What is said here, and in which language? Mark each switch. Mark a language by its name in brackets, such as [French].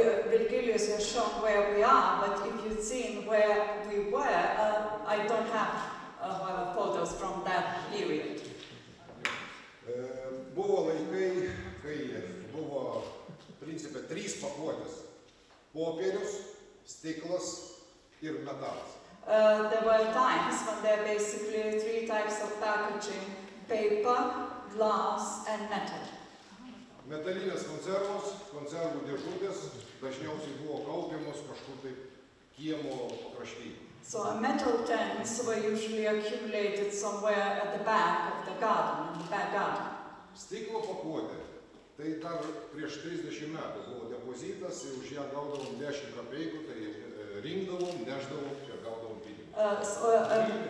[English] Virgilius has shown where we are, but if you've seen where we were, I don't have photos from that period. [Lithuanian] Buvo laikai, kai buvo principe trys pakuotės. Popierius, stiklas ir metalas. [English] There were times when there were basically three types of packaging: paper, glass and metal. [Lithuanian] Metalinės konservos, konservų dėžutės, dažniausiai buvo kaupiamos kažkur taip kiemo krašty. [English] So a metal tins were usually accumulated somewhere at the back of the garden, in the back garden. [Lithuanian] Stiklo pakuotė, tai dar prieš 30 metų buvo depozitas ir už ją gaudavom 10 kapeikų, tai rinkdavom, neždavom ir gaudavom pinigų.